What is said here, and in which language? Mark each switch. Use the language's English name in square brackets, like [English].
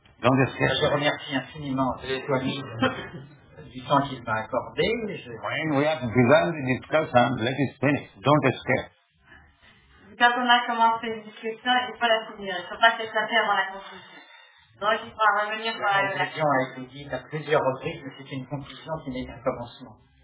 [French] Je remercie infiniment Swami du temps qu'il m'a accordé. [English] When we have begun the discussion, let it finish. Don't be scared. [French] Quand on a commencé une discussion, il ne faut pas la finir. Il ne faut pas s'échapper avant la conclusion. Donc il faut revenir par la question a été dite à plusieurs reprises, mais c'est une conclusion qui n'est qu'un commencement.